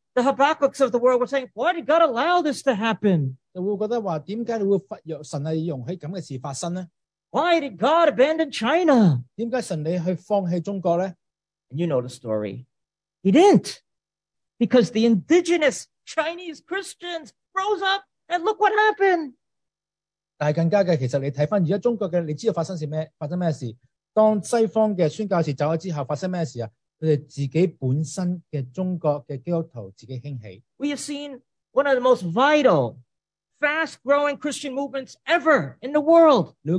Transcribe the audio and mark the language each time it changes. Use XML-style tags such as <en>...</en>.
<en>The Habakkuks of the world were saying, why did God allow this to happen?</en> <zh>就会觉得说，为什么神会容许这样的事发生呢？</zh> <en>Why did God abandon China?</en> <zh>为什么神会放弃中国呢？</zh> <en>And you know the story. He didn't. Because the indigenous Chinese Christians rose up and look what happened.</en> <zh>但更加的，其实你看回现在中国的，你知道发生什么事？当西方的宣教士走了之后，发生什么事啊？他们自己本身的中国的基督徒自己兴起。</zh> <en>We have seen one of the most vital, fast-growing Christian movements ever in the world.</en>